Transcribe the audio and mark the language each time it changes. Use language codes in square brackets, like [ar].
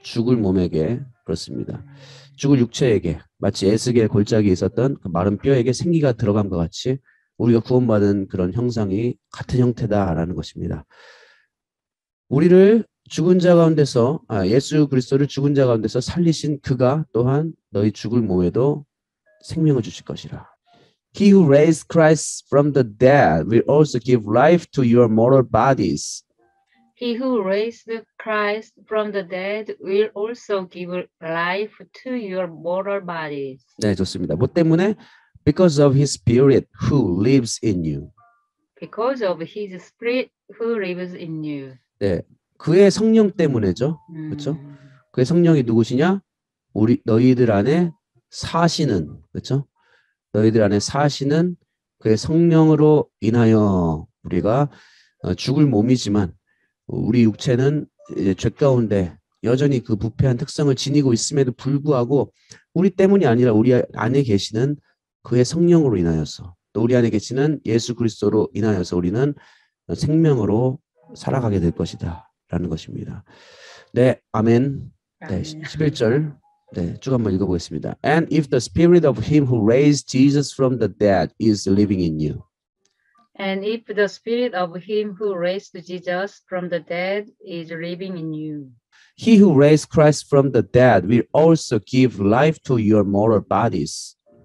[ko] 죽을 몸에게 그렇습니다. 죽을 육체에게 마치 에스겔 골짜기에 있었던 그 마른 뼈에게 생기가 들어간 것 같이 우리가 구원받은 그런 형상이 같은 형태다라는 것입니다. 우리를 죽은 자 가운데서 예수 그리스도를 죽은 자 가운데서 살리신 그가 또한 너희 죽을 몸에도 생명을 주실 것이라. [en] He who raised Christ from the dead will also give life to your mortal bodies. He who raised Christ from the dead will also give life to your mortal bodies. [ko] 네, 좋습니다. 뭐 때문에? [en] Because of his spirit who lives in you. Because of his spirit who lives in you. [ko] 네, 그의 성령 때문에죠. 그렇죠? 그의 성령이 누구시냐? 우리 너희들 안에 사시는 그렇죠? 너희들 안에 사시는 그의 성령으로 인하여 우리가 죽을 몸이지만 우리 육체는 이제 죄 가운데 여전히 그 부패한 특성을 지니고 있음에도 불구하고 우리 때문이 아니라 우리 안에 계시는 그의 성령으로 인하여서 또 우리 안에 계시는 예수 그리스도로 인하여서 우리는 생명으로 살아가게 될 것이다 라는 것입니다. 네, 아멘. 네, 11절 네, 쭉 한번 읽어보겠습니다. [en] And if the spirit of him who raised Jesus from the dead is living in you. And if the spirit of him who raised Jesus from the dead is living in you. He who raised Christ from the dead will also give life to your mortal bodies.